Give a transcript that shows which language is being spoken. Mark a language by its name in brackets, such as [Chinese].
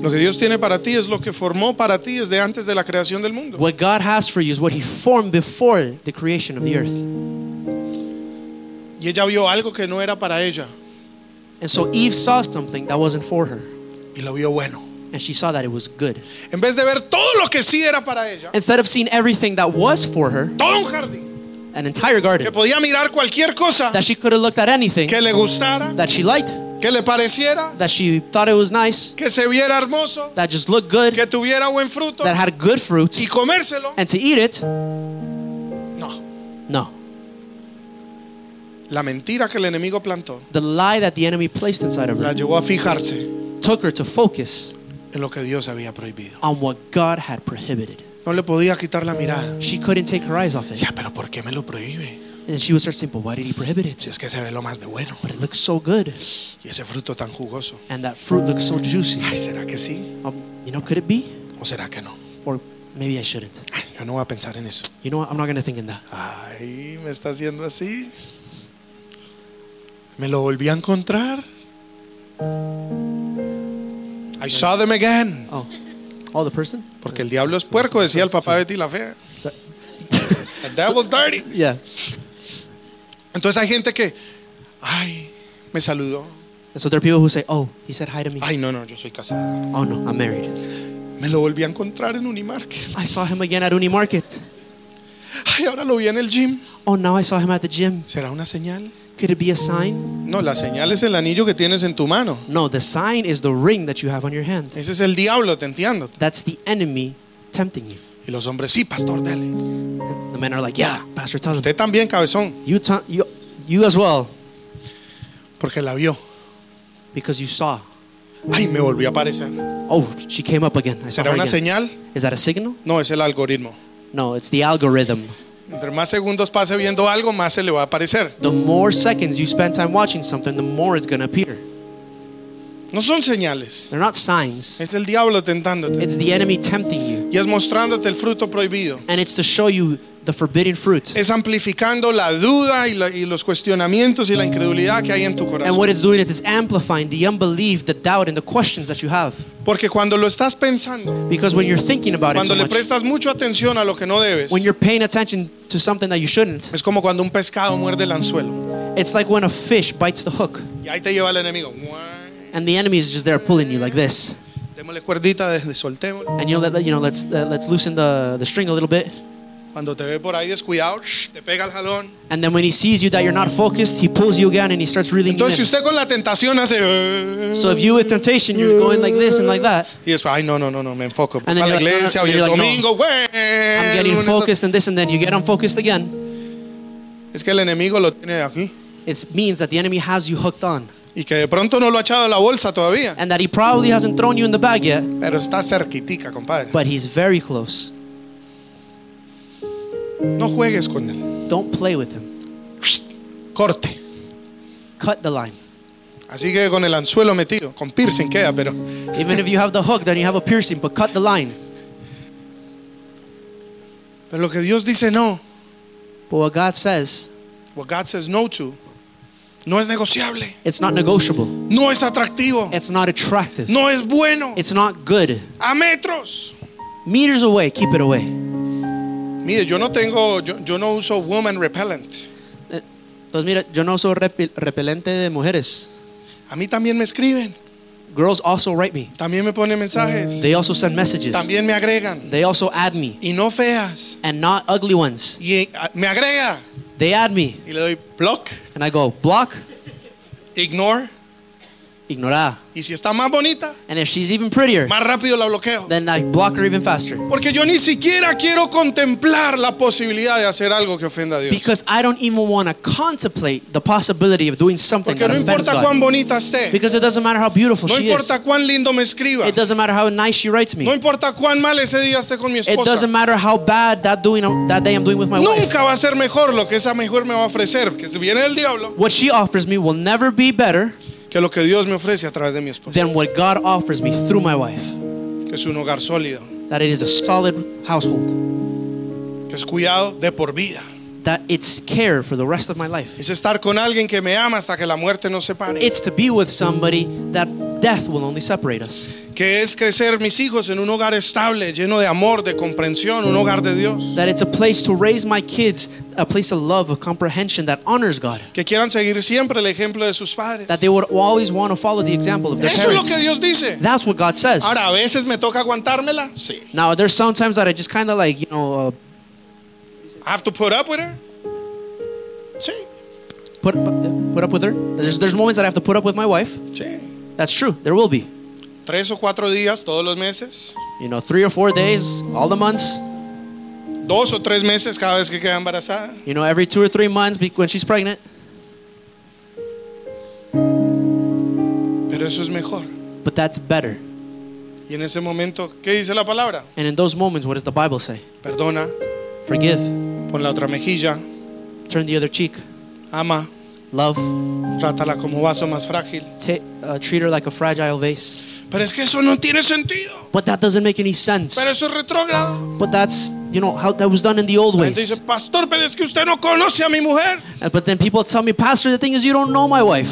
[Spanish] Lo que Dios tiene para ti es lo que formó para ti desde antes de la creación del mundo. [English] What God has for you is what he formed before the creation of the earth. [Spanish] Y ella vio algo que no era para ella. [English] And so Eve saw something that wasn't for her. [Spanish] Y lo vio bueno. [English] And she saw that it was good. [Spanish] En vez de ver todo lo que sí era para ella, [English] instead of seeing everything that was for her, [Spanish] todo un jardín, [English] an entire garden, [Spanish] que podía mirar cualquier cosa, [English] that she could have looked at anything, [Spanish] que le gustara, [English] that she liked, [Spanish] que le pareciera, [English] that she thought it was nice, [Spanish] que se viera hermoso, [English] that just looked good, [Spanish] que tuviera buen fruto, [English] that had good fruit, [Spanish] y comérselo, [English] and to eat it, [Spanish] no. [English] No. [Spanish] La mentira que el enemigo plantó, [English] the lie that the enemy placed inside of her, [Spanish] la llevó a fijarse, [English] took her to focus, [Spanish] en lo que Dios había prohibido. [English] On what God had prohibited. [Spanish] No le podía quitar la mirada. [English] She couldn't take her eyes off it. [Spanish] Ya, pero ¿por qué me lo prohíbe? [English] And she was saying, but why did he prohibit it? [Spanish] Si es que se ve lo más de bueno. [English] But it looks so good. [Spanish] Y ese fruto tan jugoso. [English] And that fruit looks so juicy. [Spanish] Ay, ¿será que sí? [English] You know, could it be? [Spanish] ¿O será que no? [English] Or maybe I shouldn't. [Spanish] Ay, yo no voy a pensar en eso. [English] You know what? I'm not going to think in that. [Spanish] Ay, me está haciendo así. Me lo volví a encontrar. [English] I saw them again. Oh. Oh, the person? [Spanish] Porque el diablo es puerco, decía el papá Betty la fea. [English] So, the devil's dirty. Yeah. [Spanish] Entonces hay gente que, ay, me saludó. [English] And so there are people who say, oh, he said hi to me. [Spanish] Ay, no, no, yo soy casada. [English] Oh, no, I'm married. [Spanish] Me lo volví a encontrar en Unimarket. [English] I saw him again at Unimarket. [Spanish] Ay, ahora lo vi en el gym. [English] Oh, now I saw him at the gym. [Spanish] ¿Será una señal? [English] Could it be a sign? [Spanish] No, la señal es el anillo que tienes en tu mano. [English] No, the sign is the ring that you have on your hand. [Spanish] Ese es el diablo tentándote. [English] That's the enemy tempting you. [Spanish] Y los hombres, sí, pastor, dele. [English] The men are like, yeah, pastor, tell them. [Spanish] Usted también, cabezón. [English] You as well. [Spanish] Porque la vio. [English] Because you saw. [Spanish] Ay, me volvió a aparecer. [English] Oh, she came up again. [Spanish] ¿Será una señal? [English] Is that a signal? [Spanish] No, es el algoritmo. [English] No, it's the algorithm. [Spanish] Entre más segundos pase viendo algo, más se le va a aparecer. [English] The more seconds you spend time watching something, the more it's going to appear. [Spanish] No son señales. [English] They're not signs. [Spanish] Es el diablo tentándote. [English] It's the enemy tempting you. [Spanish] Y es mostrándote el fruto prohibido. [English] And it's to show you the forbidden fruit. [Spanish] Es amplificando la duda y los cuestionamientos y la incredulidad que hay en tu corazón. [English] And what it's doing is it's amplifying the unbelief, the doubt, and the questions that you have. [Spanish] Porque cuando lo estás pensando, [English] because when you're thinking about [Spanish] cuando [English] it so [Spanish] le prestas mucho atención a lo que no debes, [English] when you're paying attention to something that you shouldn't, [Spanish] es como cuando un pescado muerde el anzuelo. [English] It's like when a fish bites the hook. [Spanish] Y ahí te lleva el enemigo. [English] And the enemy is just there pulling you like this. [Spanish] Démosle cuerdita, soltémosle. [English] And let's loosen the string a little bit. [Spanish] Cuando te ve por ahí descuidado, te pega el jalón. [English] And then when he sees you that you're not focused, he pulls you again and he starts reeling you in. [Spanish] Entonces si usted con la tentación hace, [English] so if you with temptation you're going like this and like that. [Spanish] Y después, ay, no, me enfoco. [English] And then [Spanish] a la iglesia, hoy es domingo, [English] I'm getting focused and this, and then you get unfocused again. [Spanish] Es que el enemigo lo tiene aquí. [English] It means that the enemy has you hooked on. [Spanish] Y que de pronto no lo ha echado a la bolsa todavía. [English] And that he probably hasn't thrown you in the bag yet. [Spanish] Pero está cerquitica, compadre. [English] But he's very close. [Spanish] No juegues con él. [English] Don't play with him. [Spanish] Corte. [English] Cut the line. [Spanish] Así que con el anzuelo metido, con piercing queda, pero. [English] Even if you have the hook, then you have a piercing, but cut the line. [Spanish] Pero lo que Dios dice no. [English] But what God says. What God says no to. [Spanish] No es negociable. [English] It's not negotiable. [Spanish] No es atractivo. [English] It's not attractive. [Spanish] No es bueno. [English] It's not good. [Spanish] A metros. [English] Meters away, keep it away. [Spanish] Mire, yo no tengo, yo no uso [English] woman repellent. [Spanish] Entonces mira, yo no uso repelente de mujeres. A mí también me escriben. [English] Girls also write me. [Spanish] También me ponen mensajes. [English] They also send messages. [Spanish] También me agregan. [English] They also add me. [Spanish] Y no feas. [English] And not ugly ones. [Spanish] Y me agrega. [English] They add me. [Spanish] Y le doy block. [English] And I go block. Ignore. [Spanish] Ignorada. Y si está más bonita, [English] and if she's even prettier, [Spanish] más rápido la bloqueo. [English] Then I block her even faster. [Spanish] Porque yo ni siquiera quiero contemplar la posibilidad de hacer algo que ofenda a Dios. [English] Because I don't even want to contemplate the possibility of doing something [Spanish] porque [English] that [Spanish] no importa cuán bonita esté. [English] Because it doesn't matter how beautiful [Spanish] no [English] she [Spanish] importa [English] is. [Spanish] Importa cuán lindo me escriba. [English] It doesn't matter how nice she writes me. [Spanish] No importa cuán mal ese día esté con mi esposa. [English] It doesn't matter how bad that day I'm doing with my [Spanish] nunca [English] wife. [Spanish] Nunca va a ser mejor lo que esa mujer me va a ofrecer, que si viene el diablo. [English] What she offers me will never be better. [Spanish] Que lo que Dios me ofrece a través de mi esposa. [English] Then what God offers me through my wife. [Spanish] Que es un hogar sólido. [English] That it is a solid household. [Spanish] Que es cuidado de por vida. [English] That it's care for the rest of my life. [Spanish] Es estar con alguien que me ama hasta que la muerte nos separe. [English] It's to be with somebody that death will only separate us. [Spanish] Que es crecer mis hijos en un hogar estable, lleno de amor, de comprensión, un hogar de Dios. [English] That it's a place to raise my kids, a place of love, of comprehension that honors God. [Spanish] Que quieran seguir siempre el ejemplo de sus padres. [English] That they would always want to follow the example of their parents. [Spanish] Eso [English] es lo que Dios dice. That's what God says. [Spanish] Ahora, a veces me toca aguantármela. Sí. [English] Now, there's sometimes that I just kind of like, you know, I have to put up with her. Sí. Put up with her. There's moments that I have to put up with my wife. [Spanish] Sí. [English] That's true. There will be. [Spanish] Tres o cuatro días todos los meses. [English] You know, three or four days, all the months. [Spanish] Dos o tres meses cada vez que queda embarazada. [English] You know, every two or three months when she's pregnant. [Spanish] Pero eso es mejor. [English] But that's better. [Spanish] Y en ese momento, ¿qué dice la palabra? [English] And in those moments, what does the Bible say? [Spanish] Perdona. [English] Forgive. [Spanish] Pon la otra mejilla. [English] Turn the other cheek. [Spanish] Ama. [English] Love. [Spanish] Trátala como vaso más frágil. [English] Treat her like a fragile vase. [Spanish] Pero es que eso no tiene sentido. [English] But that doesn't make any sense. [Spanish] Pero eso es retrógrado. [English] But that's, you know, how that was done in the old ways. [Spanish] Dice, pastor, pero es que usted no conoce a mi mujer. [English] But then people tell me, pastor, the thing is you don't know my wife.